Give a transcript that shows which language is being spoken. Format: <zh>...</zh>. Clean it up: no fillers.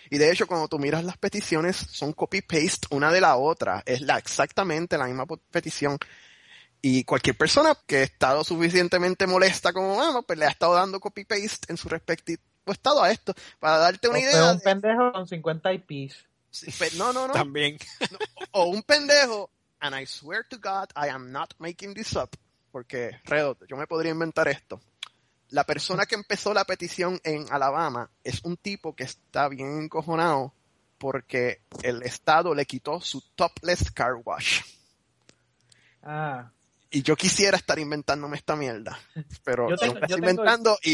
<es>Y de hecho, cuando tú miras las peticiones, son copy-paste una de la otra. Es exactamente la misma petición. Y cualquier persona que ha estado suficientemente molesta como Obama, pues le ha estado dando copy-paste en su respectivo estado a esto. Para darte una idea. O un pendejo con 50 IPs. Sí, pues, no. También. No, o un pendejo,</es> <en>and I swear to God, I am not making this up.</en> <es>Porque, Redo, yo me podría inventar esto. La persona que empezó la petición en Alabama es un tipo que está bien encojonado porque el estado le quitó su topless car wash. Ah. Y yo quisiera estar inventándome esta mierda, pero yo estoy inventando.</es>